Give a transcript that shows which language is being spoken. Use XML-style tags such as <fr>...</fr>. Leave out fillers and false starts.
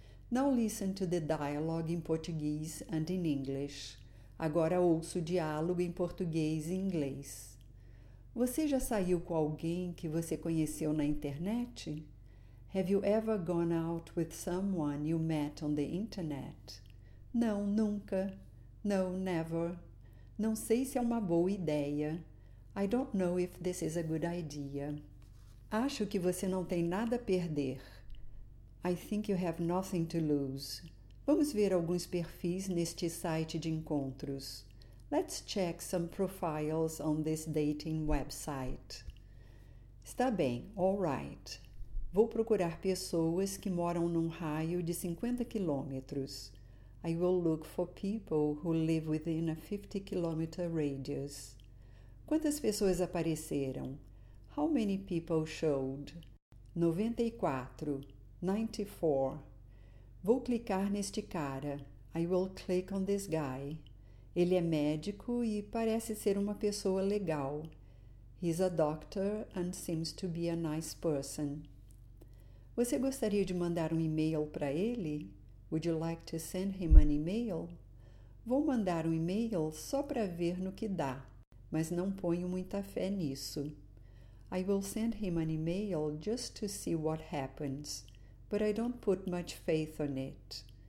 <en>Now listen to the dialogue in Portuguese and in English.</en> <pt>Agora ouça o diálogo em português e inglês. Você já saiu com alguém que você conheceu na internet?</pt> <en>Have you ever gone out with someone you met on the internet?</en> <pt>Não, nunca.</pt> <en>No, never.</en> <pt>Não sei se é uma boa ideia.</pt> <en>I don't know if this is a good idea.</en> <pt>Acho que você não tem nada a perder.</pt> <en>I think you have nothing to lose.</en> <pt>Vamos ver alguns perfis neste site de encontros.</pt> <en>Let's check some profiles on this dating website.</en> <pt>Está bem,</pt> <en>all right.</en> <pt>Vou procurar pessoas que moram num raio de 50 quilômetros.</pt> <en>I will look for people who live within a 50-kilometer radius.</en> <pt>Quantas pessoas apareceram?</pt> <en>How many people showed?</en> <pt>94. 94. Vou clicar neste cara.</pt> <en>I will click on this guy.</en> <pt>Ele é médico e parece ser uma pessoa legal.</pt> <en>He's a doctor and seems to be a nice person.</en> <pt>Você gostaria de mandar um e-mail para ele?</pt> <en>Would you like to send him an email?</en> <pt>Vou mandar um e-mail só para ver no que dá, mas não ponho muita fé nisso.</pt> <en>I will send him an email just to see what happens, but I don't put much faith on it.</en>